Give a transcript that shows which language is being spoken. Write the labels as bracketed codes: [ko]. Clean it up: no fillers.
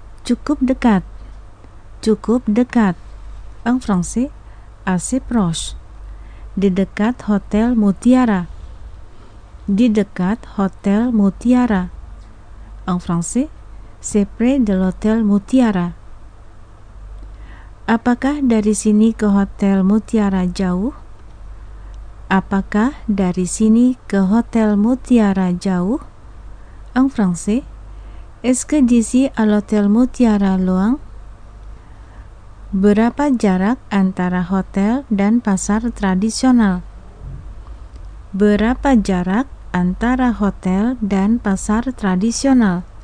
[id] Cukup dekat, [fr] en français, assez proche. [id] Di dekat Hotel Mutiara. Di dekat Hotel Mutiara. [fr] En français: C'est près de l'Hotel Mutiara. [id] Apakah dari sini ke Hotel Mutiara jauh? Apakah dari sini ke Hotel Mutiara jauh? [fr] En français: Est-ce que d'ici à l'Hotel Mutiara loin? [id] Berapa jarak antara hotel dan pasar tradisional? Berapa jarak antara hotel dan pasar tradisional?